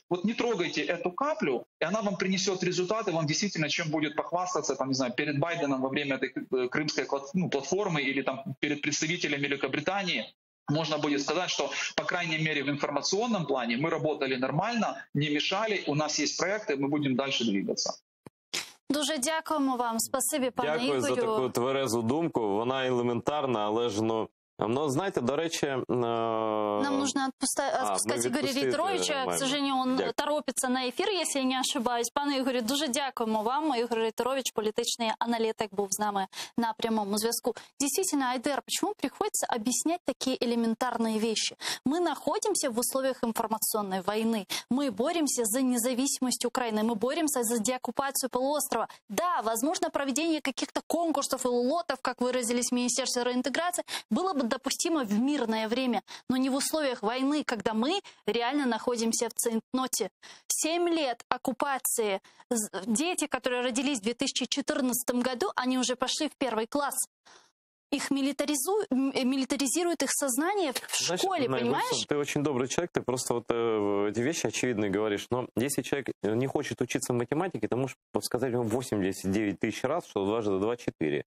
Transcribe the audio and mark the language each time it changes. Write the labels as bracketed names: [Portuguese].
[Russian] Вот не трогайте эту каплю, и она вам принесет результаты, вам действительно чем будет похвастаться, там, не знаю, перед Байденом во время этой крымской платформы или там перед представителями Великобритании. Можно будет сказать, что, по крайней мере, в информационном плане мы работали нормально, не мешали, у нас есть проекты, мы будем дальше двигаться. [Ukrainian] Дуже дякуємо вам. Спасибі, пане Ігорю. Дякую за таку тверезу думку. Вона елементарна, але ж, ну, ну знаєте, до речі... Нам потрібно відпускати Ігоря Рейтеровича. [Russian] К сожалению, [Ukrainian] він торопиться на ефір, якщо я не ошибаюсь. Пане Ігорю, дуже дякуємо вам. Ігор Рейтерович, політичний аналітик, був з нами на прямому зв'язку. Дійсно, Айдер, чому приходиться об'ясняти такі елементарні речі? Ми знаходимося в умовах інформаційної війни. Ми боремося за незалежність України. Ми боремося за деокупацію півострова. Да, можливо, проведення якихось конкурсів і лотів, як виразились в Міністерстві реінтеграції, було б допустимо [Russian] в мирное время, но не в условиях войны, когда мы реально находимся в цейтноте. 7 лет оккупации. Дети, которые родились в 2014 году, они уже пошли в первый класс. Их милитаризирует их сознание в школе, знаешь, понимаешь? Ты очень добрый человек, ты просто вот эти вещи очевидные говоришь. Но если человек не хочет учиться в математике, ты можешь сказать ему 89 тысяч раз, что 2 за 2-4.